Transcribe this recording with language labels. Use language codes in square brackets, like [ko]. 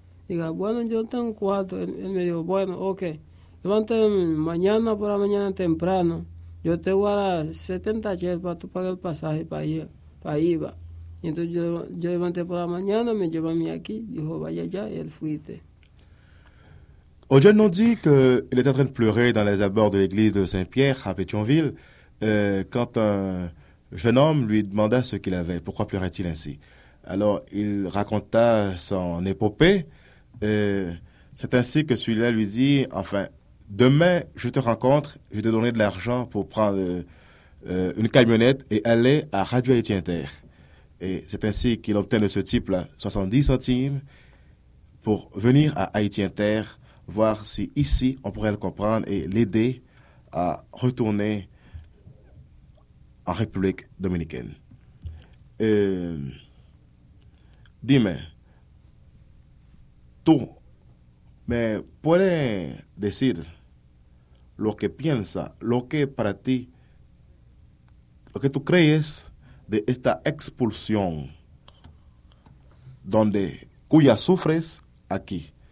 [es] Diga, bueno, yo no tengo cuarto. Él me dijo, bueno, ok. Levanta mañana por la mañana temprano. yo te voy a 70 chel para tú pagar el pasaje para ir, para IVA. Y entonces yo levanté por la mañana, me llevó a mí aquí, dijo, vaya ya, y él fuiste. [fr] Ojean nous dit qu'il était en train de pleurer dans les abords de l'église de Saint-Pierre à Pétionville quand un jeune homme lui demanda ce qu'il avait, pourquoi pleurait-il ainsi. Alors il raconta son épopée. C'est ainsi que celui-là lui dit, enfin, demain je te rencontre, je te donnerai de l'argent pour prendre une camionnette et aller à Radio Haïti Inter. Et c'est ainsi qu'il obtint de ce type-là 70 centimes pour venir à Haïti Inter, voir si ici on pourrait le comprendre et l'aider à retourner en République dominicaine. [es] Dime, tú me puedes decir lo que piensas, lo que para ti, lo que tú crees de esta expulsión donde cuya sufres aquí.